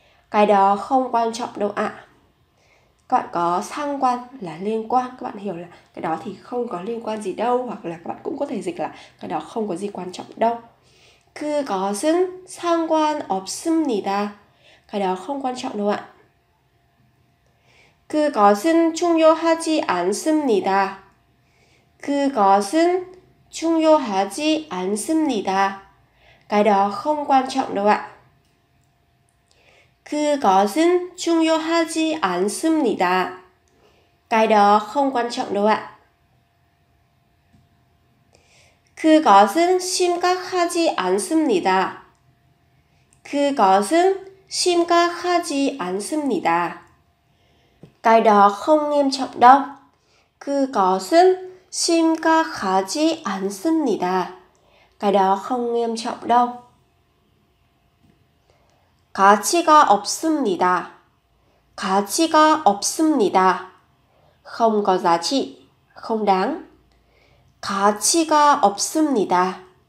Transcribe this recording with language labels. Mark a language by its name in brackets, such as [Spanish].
[Vietnamese] Cái đó không quan trọng đâu ạ. Các bạn có sang quan là liên quan. Các bạn hiểu là cái đó thì không có liên quan gì đâu. Hoặc là các bạn cũng có thể dịch là cái đó không có gì quan trọng đâu. [Korean] 그것은 상관없습니다. [Vietnamese] Cái đó không quan trọng đâu ạ. [Korean] 그것은 중요하지 않습니다. 그것은 중요하지 않습니다. [Vietnamese] Cái đó không quan trọng đâu ạ. [Korean] 그것은 중요하지 않습니다. [Vietnamese] Cái đó không quan trọng đâu ạ. [Korean] 그것은 심각하지 않습니다. 그것은 심각하지 않습니다. [Vietnamese] Cái đó không nghiêm trọng đâu. [Korean] 그것은 심각하지 않습니다. [Vietnamese] Cái đó không nghiêm trọng đâu. [Korean] 가치가 없습니다. 가치가 없습니다. [Vietnamese] Không có giá trị. Không đáng. [Korean] 가치가 없습니다.